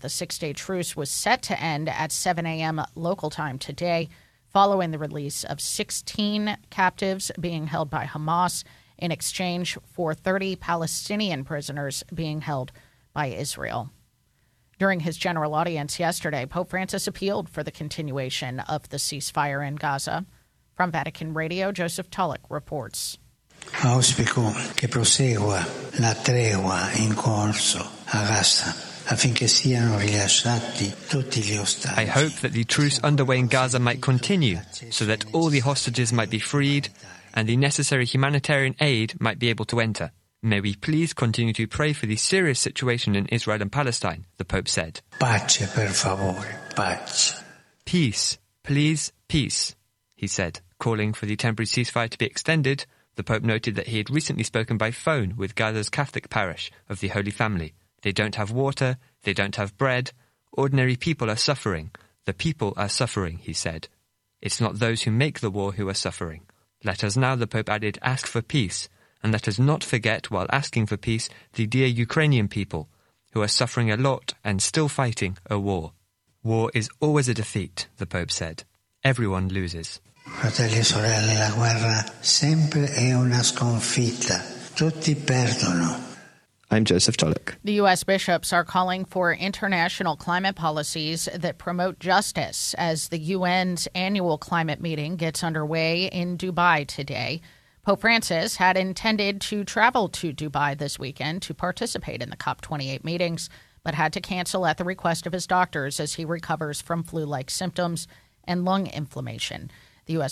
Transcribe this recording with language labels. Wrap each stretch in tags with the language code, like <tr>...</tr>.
<en>The six-day truce was set to end at 7 a.m. local time today, following the release of 16 captives being held by Hamas in exchange for 30 Palestinian prisoners being held by Israel. During his general audience yesterday, Pope Francis appealed for the continuation of the ceasefire in Gaza. From Vatican Radio, Joseph Tullock reports.</en> <it>Auspico che prosegua la tregua in corso a Gaza affinché siano rilasciati tutti gli ostaggi.</it> <en>I hope that the truce underway in Gaza might continue so that all the hostages might be freed and the necessary humanitarian aid might be able to enter. May we please continue to pray for the serious situation in Israel and Palestine, the Pope said.</en> <it>Pace, per favore, pace.</it> <en>Peace, please, peace, he said, calling for the temporary ceasefire to be extended. The Pope noted that he had recently spoken by phone with Gaza's Catholic parish of the Holy Family. They don't have water, they don't have bread. Ordinary people are suffering. The people are suffering, he said. It's not those who make the war who are suffering. Let us now, the Pope added, ask for peace, and let us not forget, while asking for peace, the dear Ukrainian people, who are suffering a lot and still fighting a war. War is always a defeat, the Pope said. Everyone loses.</en> <it>Fratelli e sorelle, la guerra sempre è una sconfitta. Tutti perdono.</it> <en>I'm Joseph Tullock. The U.S. bishops are calling for international climate policies that promote justice as the UN's annual climate meeting gets underway in Dubai today. Pope Francis had intended to travel to Dubai this weekend to participate in the COP28 meetings, but had to cancel at the request of his doctors as he recovers from flu-like symptoms and lung inflammation. The U.S.</en>